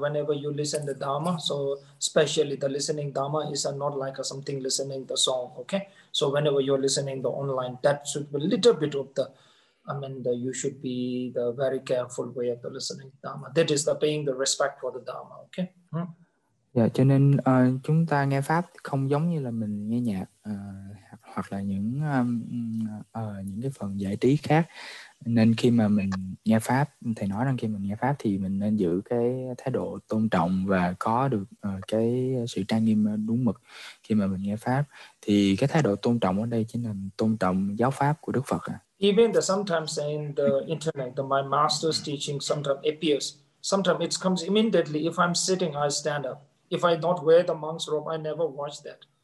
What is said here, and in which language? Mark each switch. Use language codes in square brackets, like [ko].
[en] Whenever you listen the Dharma, so especially the listening Dharma is not like something listening the song, okay? So whenever you're listening the online, that should be a little bit of the, you should be the very careful way of the listening Dharma. That is the paying the respect for the Dharma, okay? [vi] Dạ, cho nên chúng ta nghe pháp không giống như là mình nghe nhạc hoặc là những cái phần giải trí khác. Nên khi mà mình nghe pháp, thầy nói rằng khi mình nghe pháp thì mình nên giữ cái thái độ tôn trọng và có được cái sự trang nghiêm đúng mực khi mà mình nghe pháp. Thì cái thái độ tôn trọng ở đây chính là tôn trọng giáo pháp của Đức Phật. [en] Even the sometimes in the internet, my master's teaching sometimes appears. Sometimes it comes immediately. If I'm sitting, I stand up. If I don't wear the monk's robe, I never watch that.